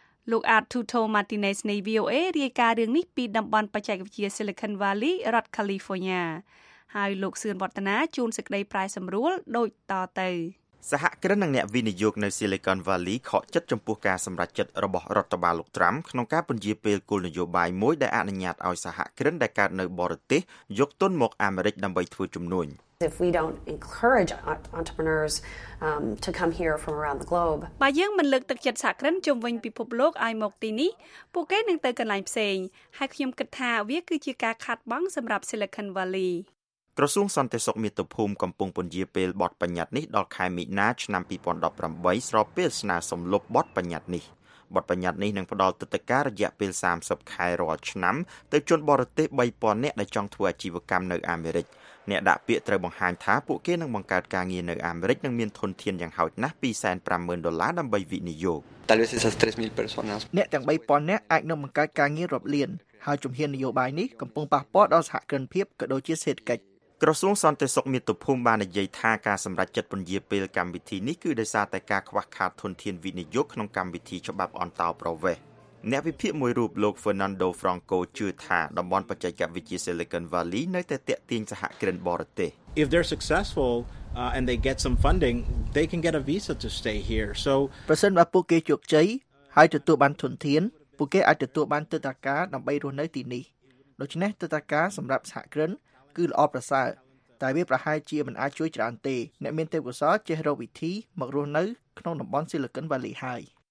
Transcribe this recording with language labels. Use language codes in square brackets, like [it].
[km] លោក Arturo Martinez នៃ VOA រាយការណ៍រឿងនេះពីតំបន់បច្ចេកវិទ្យា Silicon Valley រដ្ឋ California ហើយលោកសឿនវឌ្ឍនាជួនសេចក្តីប្រាយសម្រួលដូចតទៅ សហគ្រិននិងអ្នកវិនិយោគនៅ Silicon Valley ខកចិត្តចំពោះការសម្រេចចិត្តរបស់រដ្ឋបាលលោកត្រាំក្នុងការពន្យារពេលគោលនយោបាយមួយដែលអនុញ្ញាតឲ្យសហគ្រិនដែលកើតនៅបរទេសយកទុនមកអាមេរិកដើម្បីធ្វើជំនួញ [en] If we don't encourage entrepreneurs to come here from around the globe. [km] បើយើងមិនលើកទឹកចិត្តសហគ្រិនជុំវិញពិភពលោកឲ្យមកទីនេះពួកគេនឹងទៅកន្លែងផ្សេងហើយខ្ញុំគិតថាវាគឺជាការខាតបង់សម្រាប់ Silicon Valley. ក្រសួងសន្តិសុខមាតុភូមិកំពុងពន្យារពេលបទបញ្ញត្តិនេះដល់ខែមីនាឆ្នាំ2018ស្របពេលស្នើសុំលុបបទបញ្ញត្តិនេះ។បទបញ្ញត្តិនេះនឹងផ្ដល់ទិដ្ឋការរយៈពេល30ខែរាល់ឆ្នាំទៅជនបរទេស 3,000 នាក់ដែលចង់ធ្វើអាជីវកម្មនៅអាមេរិក។អ្នកដាក់ពាក្យត្រូវបង្ហាញថាពួកគេនឹងបង្កើតការងារនៅអាមេរិកនិងមានធនធានយ៉ាងហោចណាស់ $250,000ដើម្បីវិនិយោគ [es] ។ Tal vez esas 3000 personas. [km] អ្នកទាំង 3,000 នាក់អាចនឹងបង្កើតការងាររាប់លាន។ហើយជំហាននយោបាយនេះកំពុងប៉ះពាល់ដល់សហគ្រិនភាពក៏ដូចជាសេដ្ឋកិច្ច។ ក្រសួងសន្តិសុខមាតុភូមិបាននិយាយថាការសម្រេចចិត្តពន្យារពេលកម្មវិធីនេះគឺដោយសារតែការខ្វះខាតធនធានវិនិយោគក្នុងកម្មវិធីច្បាប់អន្តោប្រវេសន៍អ្នកវិភាគមួយរូបលោក Fernando Franco ជឿថាតំបន់បច្ចេកវិទ្យា Silicon Valley នៅតែទាក់ទាញសហគ្រិនបរទេស [en] If they're successful and they get some funding they can get a visa to stay here so [km] ប្រសិនបើពួកគេជោគជ័យហើយទទួលបានធនធានពួកគេអាចទទួលបានទិដ្ឋាការដើម្បីរស់នៅទីនេះដូច្នេះទិដ្ឋាការសម្រាប់សហគ្រិនគឺល្អប្រសើរ តែវាប្រហែលជាមិនអាចជួយច្រើនទេអ្នកមានទេពកោសល្យចេះរកវិធីមករស់នៅក្នុងតំបន់ Silicon Valley ហើយ